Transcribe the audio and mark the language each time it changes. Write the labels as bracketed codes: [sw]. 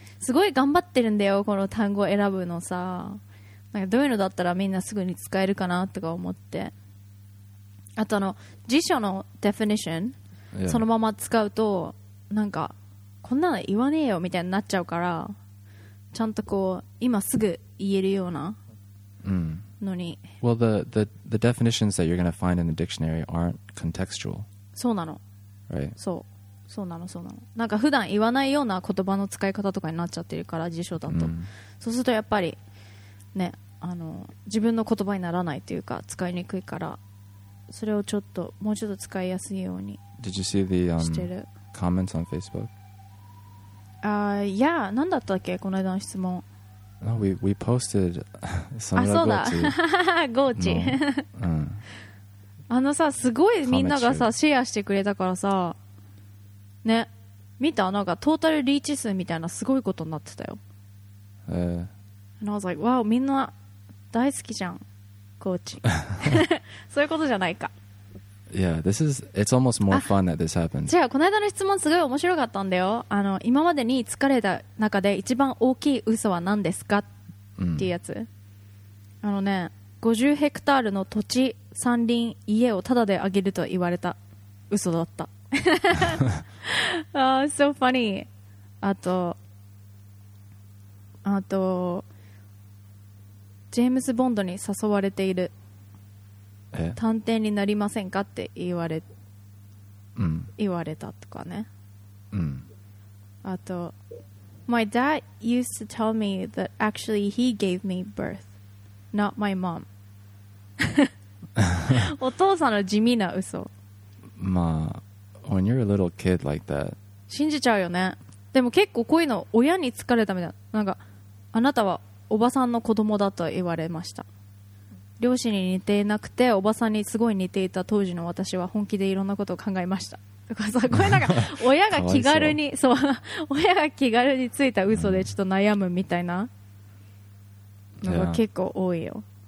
[ja] すごい頑張ってるんだよ、この単語選ぶのさ。なんかどういうのだったらみんなすぐに使えるかなとか思って、あとあの辞書のデフィニッション、そのまま使うとなんかこんなの言わねえよみたいになっちゃうから、ちゃんとこう今すぐ言えるようなのに、 [en] Well, the definitions that you're going to find in the dictionary aren't contextual. [ja] そうなの、 [en] right. [ja] そうなの。なんか普段言わないような言葉の使い方とかになっちゃってるから、辞書だと、そうするとやっぱりね、あの自分の言葉にならないというか使いにくいから、それをちょっともうちょっと使いやすいようにしてる。 [en] Did you see the comments on Facebook? [ja] Yeah, 何だったっけこの間の質問。 [en] No, we posted some of the Gochi. Gochi. [ja] あのさ、すごいみんながさシェアしてくれたからさね、見た、なんかトータルリーチ数みたいなすごいことになってたよ。 [en] And I was like, wow, [ja] みんな大好きじゃん、コーチ。そういうことじゃないか。 [en] Yeah, this is, it's almost more fun that this happened. [ja] じゃあ、この間の質問すごい面白かったんだよ。あの、今までに疲れた中で一番大きい嘘は何ですか、っていうやつ。あのね、50ヘクタールの土地、山林、家をタダであげると言われた嘘だった。 [en] Oh, so funny. [ja] あと、ジェームズ・ボンドに誘われている、探偵になりませんかって言われたとかね、あと [en] My dad used to tell me that actually he gave me birth, not my mom. [ja] お父さんの地味な嘘。 [en] まあ when you're a little kid like that [ja] 信じちゃうよね。でも結構こういうの親に疲れたみたいな、なんかあなたはおばさんの子供だと言われました、両親に似ていなくておばさんにすごい似ていた当時の私は本気でいろんなことを考えましたとかさ、これなんか親が気軽にそう親が気軽についた嘘でちょっと悩むみたいなのが結構多いよ。